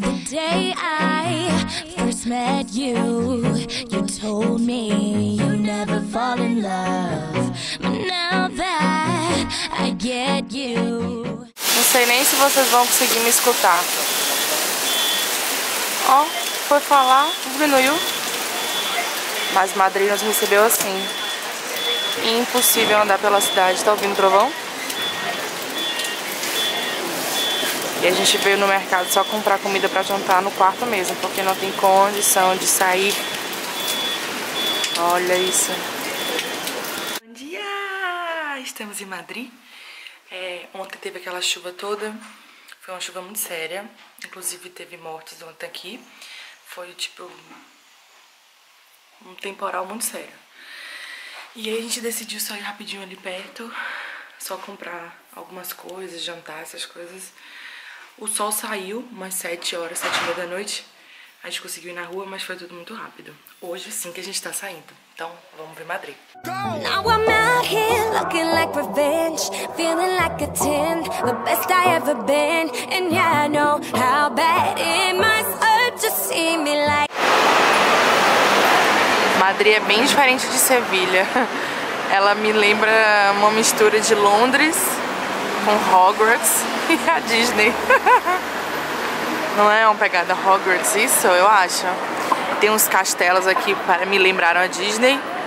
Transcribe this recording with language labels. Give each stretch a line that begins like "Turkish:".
English: day I first met you, you told me you never fall in love. But now that I get you.
Portuguese: Não sei nem se vocês vão conseguir me escutar. Ó, oh, foi falar, diminuiu. Mas Madrid nos recebeu assim. Impossível andar pela cidade. Tá ouvindo trovão? E a gente veio no mercado só comprar comida pra jantar no quarto mesmo, porque não tem condição de sair. Olha isso. Bom dia! Estamos em Madrid. É, ontem teve aquela chuva toda. Foi uma chuva muito séria. Inclusive teve mortes ontem aqui. Foi tipo um temporal muito sério. E aí a gente decidiu sair rapidinho ali perto, só comprar algumas coisas, jantar, essas coisas. O sol saiu umas 7 horas da noite. A gente conseguiu ir na rua, mas foi tudo muito rápido. Hoje sim que a gente tá saindo. Então, vamos ver Madrid.
English: Now I'm out here looking like revenge, feeling like a 10, the best I ever been. And yeah, I know how bad it must hurt to see me like.
Portuguese: Madrid é bem diferente de Sevilha. Ela me lembra uma mistura de Londres com Hogwarts e a Disney. Não é uma pegada Hogwarts isso? Eu acho. Tem uns castelos aqui para me lembrar a Disney.